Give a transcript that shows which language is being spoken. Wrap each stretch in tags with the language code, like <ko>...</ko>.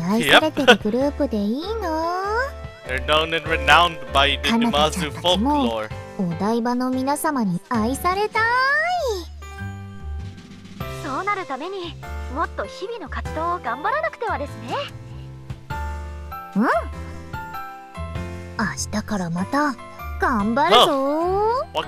<ja>せつなちゃんらしいね。でもかなたちゃんも同じだよ。帰ってすぐはるかちゃんに話したもん。ああいうライブ私たちもしてみたいですよね。だよね。ミューズのアクアも、ご近所の皆様に愛されてるグループでいいの。</ja> <en>They're known and renowned by the Nimazu folklore.</en> <ja>お台場の皆様に愛されたい。そうなるためにもっと日々の活動を頑張らなくてはですね。うん。明日からまた頑張るぞ。What</ja>